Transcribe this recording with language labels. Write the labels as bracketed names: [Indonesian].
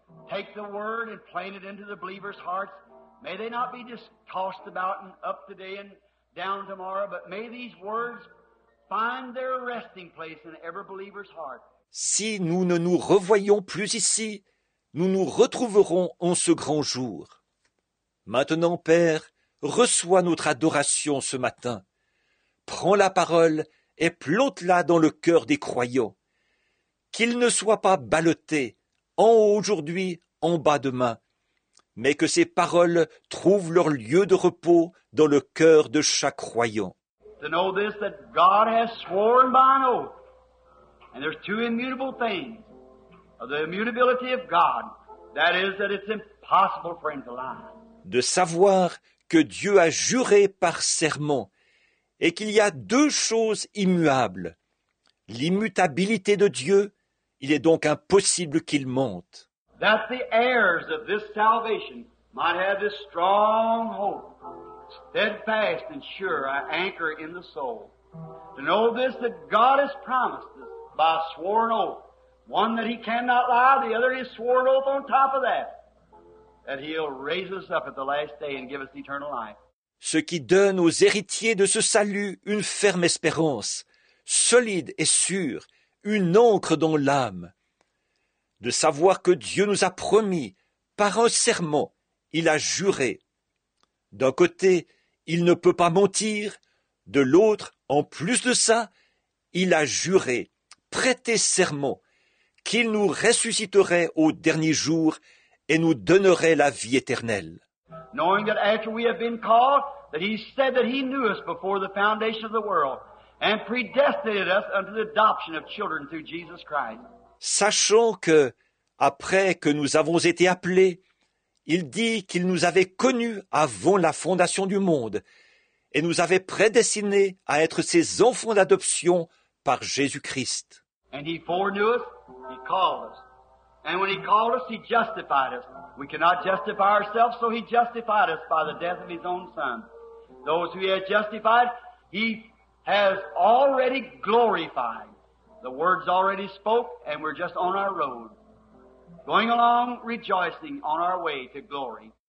[English] Take the word and plant it into the believers' hearts. May they not be just tossed about and up today and down tomorrow, but may these words find their resting place in every believer's heart. [French] Si nous ne nous revoyons plus ici, nous nous retrouverons en ce grand jour. Maintenant, Père, reçois notre adoration ce matin. Prends la parole et plante-la dans le cœur des croyants. Qu'il ne soit pas ballotté, en haut aujourd'hui, en bas demain, mais que ces paroles trouvent leur lieu de repos dans le cœur de chaque croyant. [English] To know this, that God has sworn by an oath, and there's two immutable things, of the immutability of God, that is that it's impossible for him to lie. [French] De savoir que Dieu a juré par serment, et qu'il y a deux choses immuables. L'immutabilité de Dieu, il est donc impossible qu'il mente. [English] That the heirs of this salvation might have this strong hope, steadfast and sure, an anchor in the soul. To know this, that God has promised us by a sworn oath, one that he cannot lie, the other his sworn oath on top of that, that he'll raise us up at the last day and give us eternal life. [French] Ce qui donne aux héritiers de ce salut une ferme espérance, solide et sûre, une encre dans l'âme. De savoir que Dieu nous a promis, par un serment, il a juré. D'un côté, il ne peut pas mentir, de l'autre, en plus de ça, il a juré, prêté serment, qu'il nous ressusciterait au dernier jour et nous donnerait la vie éternelle. [English] Knowing that after we have been called, that he said that he knew us before the foundation of the world. And predestined us unto the adoption of children through Jesus Christ. [French] Sachant que, après que nous avons été appelés, il dit qu'il nous avait connus avant la fondation du monde et nous avait prédestinés à être ses enfants d'adoption par Jésus Christ. [English] And he foreknew us, he called us. And when he called us, he justified us. We cannot justify ourselves, so he justified us by the death of his own son. Those who he had justified, he has already glorified. The words already spoke, and we're just on our road, going along rejoicing on our way to glory.